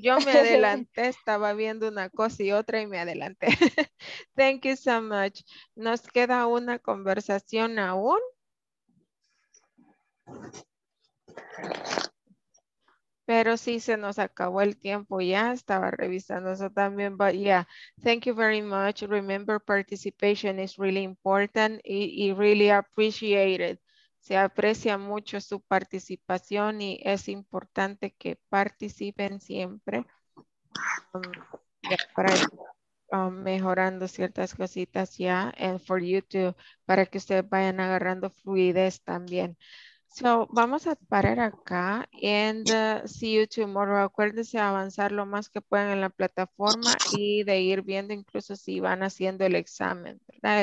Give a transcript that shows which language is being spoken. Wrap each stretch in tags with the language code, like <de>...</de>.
<es>Yo me adelanté, estaba viendo una cosa y otra y me adelanté.</es> <en>Thank you so much.</en> <es>Nos queda una conversación aún. Pero sí, se nos acabó el tiempo ya. Estaba revisando eso también.</es> <en>But yeah, thank you very much. Remember, participation is really important y really appreciated.</en> <es>Se aprecia mucho su participación y es importante que participen siempre para mejorando ciertas cositas ya</es> <en>and for you to</en> <es>para que ustedes vayan agarrando fluidez también.</es> <en>So,</en> <es>vamos a parar acá</es> <en>and see you tomorrow.</en> <es>Acuérdense de avanzar lo más que puedan en la plataforma y de ir viendo incluso si van haciendo el examen, ¿verdad?</es>